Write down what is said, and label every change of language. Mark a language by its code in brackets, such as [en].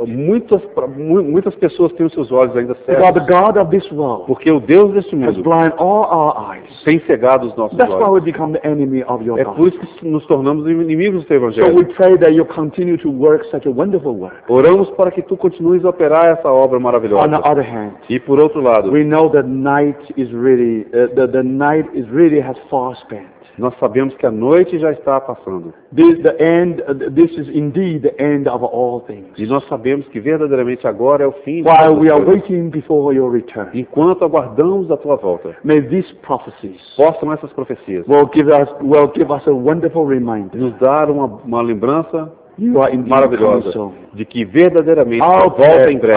[pt] Muitas pessoas têm os seus olhos ainda cegos. [en] Because the God of this world. [pt] Porque o Deus deste mundo. [en] Has blind all our eyes. [pt] Tem cegado os nossos [en] that's [pt] olhos. [en] Why we become the enemy of your [pt] é por isso que nos tornamos inimigos do teu evangelho. [en] So we pray that you continue to work such a wonderful work. [pt] Oramos para que tu continues a operar essa obra maravilhosa. [en] On the other hand, [pt] e por outro lado, [en] we know that the night really has far spent. [pt] Nós sabemos que a noite já está passando. [en] This is indeed the end of all things. [pt] E nós sabemos que verdadeiramente agora é o fim. [en] While we are waiting before your return. [pt] Enquanto aguardamos a tua volta. [en] May these prophecies. [pt] Possam essas profecias. [en] Will give us a wonderful reminder. [pt] Nos dar uma lembrança maravilhosa de que verdadeiramente volta em breve.